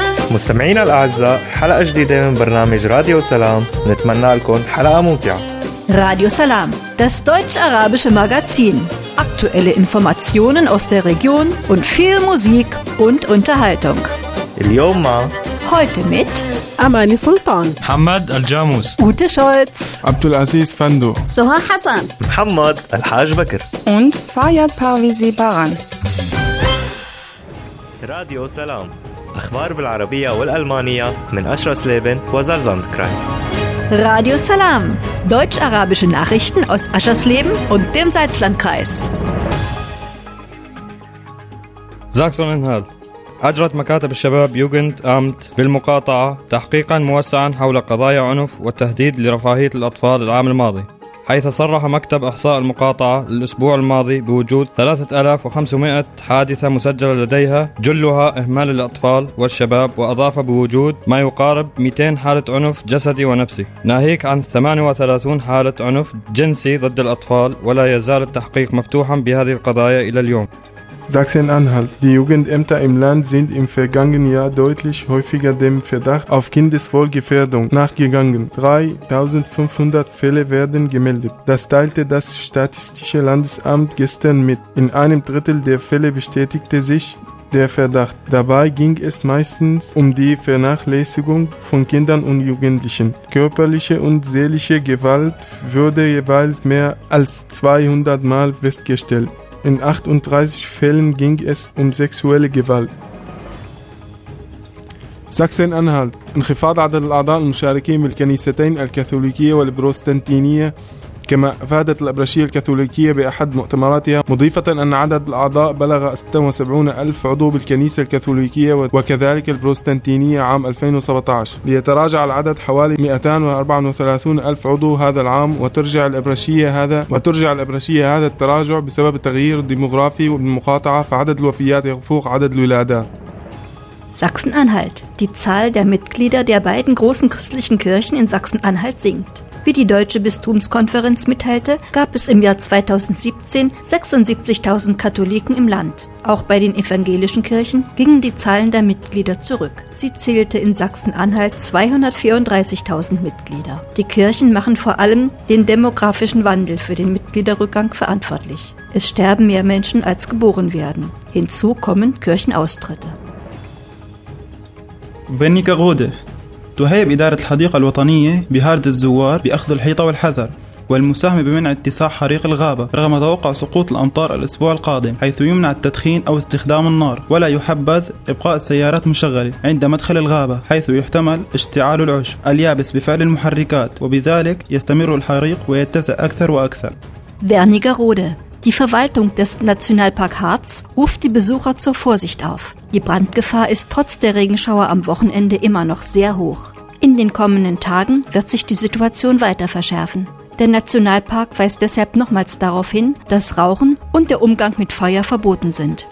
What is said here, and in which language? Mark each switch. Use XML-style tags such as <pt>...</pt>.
<ar>مستمعينا الأعزاء، حلقة جديدة من برنامج راديو سلام، نتمنى لكم حلقة ممتعة.</ar> <de>راديو سلام، das deutsche arabische Magazin. Aktuelle Informationen aus der Region und viel Musik und Unterhaltung.</de> <ar>اليوم</ar> <de>heute mit Amani Sultan, Hamad Al-Jamus, Ute Scholz, Abdulaziz Fando, Soha Hassan, Muhammad Al-Haj Bakr und Fayyad Parvizi Baran.</de> <ar>راديو سلام أخبار بالعربية والألمانية من أشرس ليبن وزلزاند كرايس.</ar> <de>راديو سلام deutsch-arabische Nachrichten aus أشرس ليبن und dem Salzlandkreis.</de> <ar>ساكسون إنهال. أجرت مكاتب الشباب يوغند أمت بالمقاطعة تحقيقا موسعا حول قضايا عنف والتهديد لرفاهية الأطفال العام الماضي، حيث صرح مكتب إحصاء المقاطعة للأسبوع الماضي بوجود 3500 حادثة مسجلة لديها جلها إهمال الأطفال والشباب، وأضاف بوجود ما يقارب 200 حالة عنف جسدي ونفسي، ناهيك عن 38 حالة عنف جنسي ضد الأطفال، ولا يزال التحقيق مفتوحا بهذه القضايا إلى اليوم.</ar> <de>Sachsen-Anhalt. Die Jugendämter im Land sind im vergangenen Jahr deutlich häufiger dem Verdacht auf Kindeswohlgefährdung nachgegangen. 3.500 Fälle werden gemeldet. Das teilte das Statistische Landesamt gestern mit. In einem Drittel der Fälle bestätigte sich der Verdacht. Dabei ging es meistens um die Vernachlässigung von Kindern und Jugendlichen. Körperliche und seelische Gewalt wurde jeweils mehr als 200 Mal festgestellt. In 38 Fällen ging es um sexuelle Gewalt. Sachsen-Anhalt.</de> <ar>انخفاض عدد الأعضاء المشاركين بالكنيستين الكاثوليكية والبروتستانتية، كما أفادت الأبرشية الكاثوليكية بأحد مؤتمراتها، مضيفة أن عدد الأعضاء بلغ 76 ألف عضو بالكنيسة الكاثوليكية وكذلك البروتستانتية عام 2017، ليتراجع العدد حوالي 234 ألف عضو هذا العام، وترجع الأبرشية هذا التراجع بسبب التغيير الديموغرافي والمقاطعة، فعدد الوفيات يفوق عدد الولادات.</ar> <de>Sachsen-Anhalt. Die Zahl der Mitglieder der beiden großen christlichen Kirchen in Sachsen-Anhalt sinkt. Wie die Deutsche Bistumskonferenz mitteilte, gab es im Jahr 2017 76.000 Katholiken im Land. Auch bei den evangelischen Kirchen gingen die Zahlen der Mitglieder zurück. Sie zählte in Sachsen-Anhalt 234.000 Mitglieder. Die Kirchen machen vor allem den demografischen Wandel für den Mitgliederrückgang verantwortlich. Es sterben mehr Menschen, als geboren werden. Hinzu kommen Kirchenaustritte. Wenigerode.</de> <ar>تهيئ إدارة الحديقة الوطنية بهارد الزوار بأخذ الحيطة والحذر والمساهمة بمنع اتساع حريق الغابة رغم توقع سقوط الأمطار الأسبوع القادم، حيث يمنع التدخين أو استخدام النار ولا يحبذ إبقاء السيارات مشغلة عند مدخل الغابة، حيث يحتمل اشتعال العشب اليابس بفعل المحركات وبذلك يستمر الحريق ويتسع أكثر وأكثر.</ar> <de>Wernigerode. Die Verwaltung des Nationalpark Harz ruft die Besucher zur Vorsicht auf. Die Brandgefahr ist trotz der Regenschauer am Wochenende immer noch sehr hoch. In den kommenden Tagen wird sich die Situation weiter verschärfen. Der Nationalpark weist deshalb nochmals darauf hin, dass Rauchen und der Umgang mit Feuer verboten sind.</de>